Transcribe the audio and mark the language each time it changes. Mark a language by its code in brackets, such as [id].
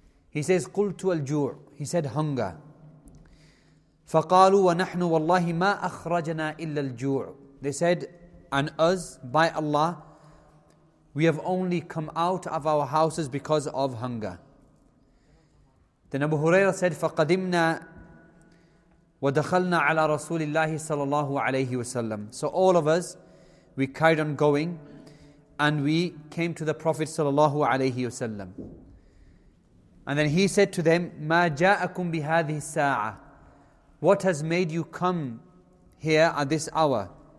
[en] He says, [ar] "Qultu al-ju'." [en] He said, hunger. [ar] فَقَالُوا وَنَحْنُ وَاللَّهِ مَا أَخْرَجَنَا إِلَّا الْجُوعُ. [en] They said, and us, by Allah, we have only come out of our houses because of hunger. Then Abu Hurairah said, [ar] فَقَدِمْنَا وَدَخَلْنَا عَلَىٰ رَسُولِ اللَّهِ صَلَى اللَّهُ عَلَيْهِ وَسَلَّمُ. [en] So all of us, we carried on going, and we came to the Prophet صلى الله عليه وسلم. And then he said to them, [ar] مَا جَاءَكُمْ بِهَذِهِ السَّاعَةِ. [en] What has made you come here at this hour?